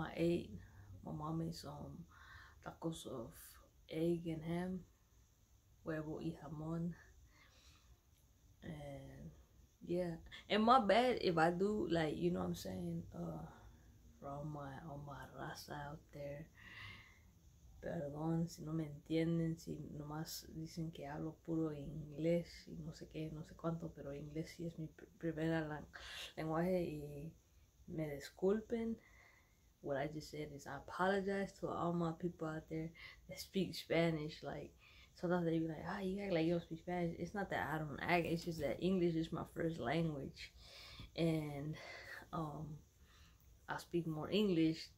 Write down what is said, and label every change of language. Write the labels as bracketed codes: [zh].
[en] I ate my mommy some tacos of egg and ham, [es] huevo y jamón. [en] And yeah, and my bad if I do, like, you know what I'm saying, from my raza out there. [es] Perdón, si no me entienden, si nomás dicen que hablo puro inglés y no sé qué, no sé cuánto, pero inglés sí es mi primer lenguaje y me disculpen. [en] What I just said is I apologize to all my people out there that speak Spanish. Like, sometimes they be like, ah, you act like you don't speak Spanish. It's not that I don't act, it's just that English is my first language. And I speak more English.